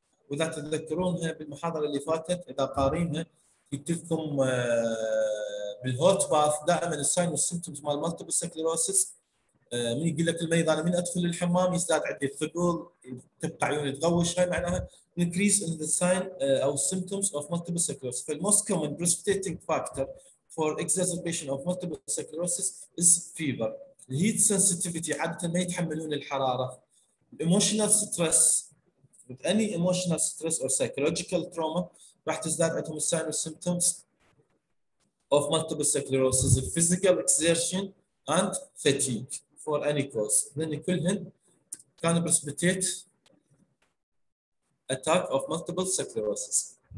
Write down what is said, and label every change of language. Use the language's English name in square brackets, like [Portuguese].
[Arabic] واذا تتذكرونها بالمحاضره اللي فاتت اذا قارينها قلت لكم بالهوت باث دائما الساين والسيمبتومز مال مالتيبل سكلروسس، من يقول لك المريض انا من ادخل الحمام يزداد عندي الثقل تبقى عيوني تغوش، هاي معناها [English] increase in the sign او symptoms of multiple sclerosis. فالموست common precipitating factor for exacerbation of multiple sclerosis is fever. [Arabic] الهيت سنسيتيفيتي عاده ما يتحملون الحراره. الايموشنال ستريس [English] with any emotional stress or psychological trauma [Arabic] راح تزداد عندهم الساين والسيمبتومز اوف مالتيبل سكلروسز. [English] الفيزيكال exertion and fatigue for any cause, [Arabic] لان كلهن [English] كان precipitate attack of multiple sclerosis.